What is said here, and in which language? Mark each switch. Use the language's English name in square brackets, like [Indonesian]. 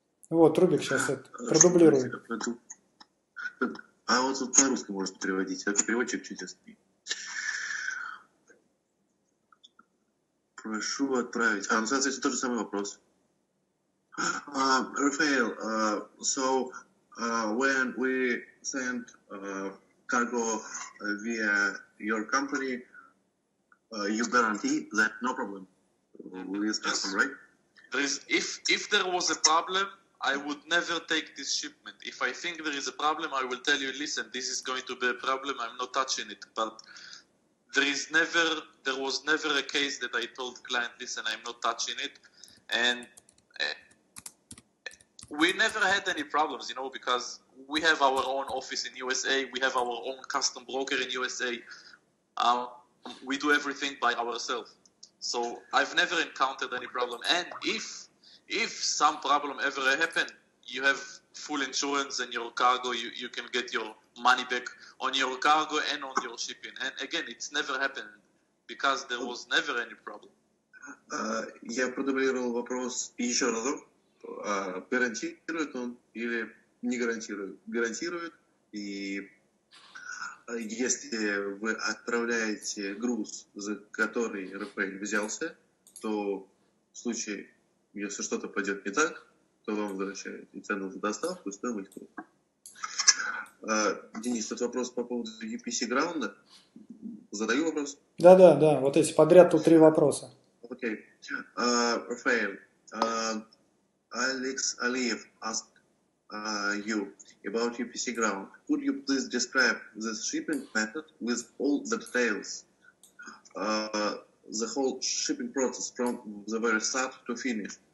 [Russian] Вот, Рубик сейчас это продублирует. А вот тут на русском можно переводить. Это переводчик чудесный. Прошу отправить. А, ну, соответственно, тот же самый вопрос. [English] Рафаэль, so, when we send cargo via your company, you guarantee that no problem with this customer, right? There is, if there was a problem, I would never take this shipment. If I think there is a problem, I will tell you, listen, this is going to be a problem, I'm not touching it. But there was never a case that I told client, listen, I'm not touching it. And we never had any problems, you know, because we have our own office in USA, we have our own custom broker in USA. We do everything by ourselves. So I've never encountered any problem. And if some problem ever happened, you have full insurance and your cargo, you can get your money back on your cargo and on your shipping. And again, it's never happened because there was never any problem. [Russian] Я продублировал вопрос еще разок. Гарантирует он или не гарантирует? Гарантирует. И если вы отправляете груз, за который Рафаэль взялся, то в случае, если что-то пойдет не так, то вам возвращают и цену за доставку, и стоимость груза. Денис, тут вопрос по поводу UPC Ground. Задаю вопрос? Да. Вот эти подряд тут три вопроса. [English] Okay. Rafael, Alex Aliyev asked you about UPC Ground. Could you please describe the shipping method with all the details? The whole shipping process from the very start to finish.